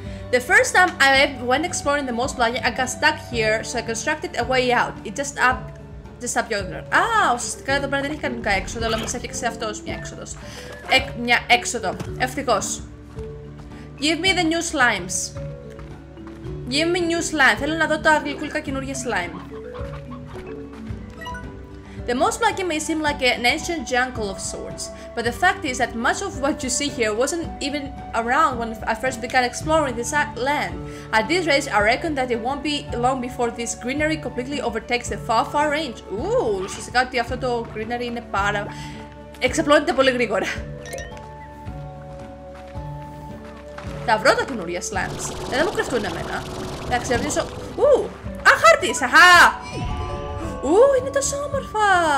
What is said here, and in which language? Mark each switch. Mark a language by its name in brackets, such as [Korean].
[English] The first time I went exploring the Moss Blanket, I got stuck here, so I constructed a way out. It just up... Just up your door. [Greek] Α, ουσιαστικά εδώ πέρα δεν έχει κανονικά έξοδο, αλλά μας έφτιαξε αυτός μια έξοδος. Μια έξοδο. Ευτυχώς. [English] Give me the new slimes. Give me new slime. [Greek] Θέλω να δω τα γλυκούλικα καινούργια slime. [English] The Moss Blanket may seem like an ancient jungle of sorts, but the fact is that much of what you see here wasn't even around when I first began exploring this land. At this rate, I reckon that it won't be long before this greenery completely overtakes the far, far range. [Greek] Ooh, ουσιαστικά ότι αυτό το greenery είναι πάρα... Εξαπλώνεται πολύ γρήγορα. Θα βρω τα καινούργια slams. Δεν μου κρυφτούν εμένα. Θα ξερδίσω... Ooh! Α, χάρτης! Αχά! Ου, είναι τόσο όμορφα!